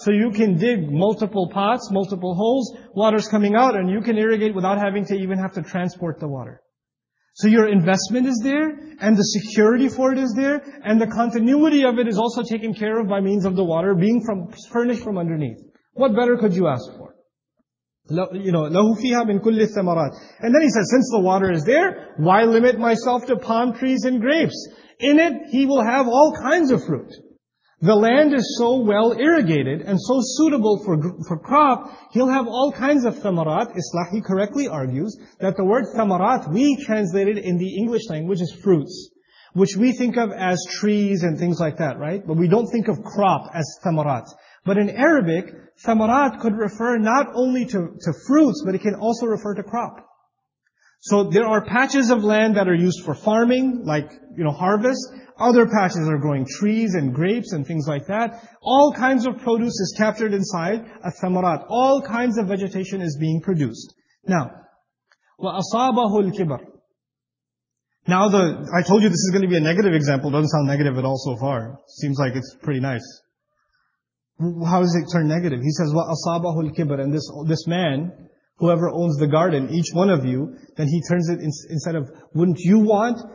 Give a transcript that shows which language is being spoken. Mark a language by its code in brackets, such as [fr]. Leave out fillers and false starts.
[en] So you can dig multiple pots, multiple holes, water's coming out, and you can irrigate without having to even have to transport the water. So your investment is there, and the security for it is there, and the continuity of it is also taken care of by means of the water being from furnished from underneath. What better could you ask for? You know, [ar] لَهُ فِيهَا مِنْ كُلِّ الثَّمَرَاتِ. [en] And then he says, since the water is there, why limit myself to palm trees and grapes? In it, he will have all kinds of fruit. The land is so well irrigated and so suitable for crop, he'll have all kinds of thamarat. Islahi correctly argues that the word thamarat, we translated in the English language as fruits, which we think of as trees and things like that, right? But we don't think of crop as thamarat. But in Arabic, thamarat could refer not only to fruits, but it can also refer to crop. So there are patches of land that are used for farming, like, you know, harvest. Other patches are growing trees and grapes and things like that. All kinds of produce is captured inside a thamarat. All kinds of vegetation is being produced. Now, [ar] وَأَصَابَهُ الْكِبَرِ. [en] Now I told you this is going to be a negative example. Doesn't sound negative at all so far. Seems like it's pretty nice. How does it turn negative? He says, [ar] وَأَصَابَهُ الْكِبَرِ. [en] And this man, whoever owns the garden, each one of you, then he turns it, instead of, wouldn't you want?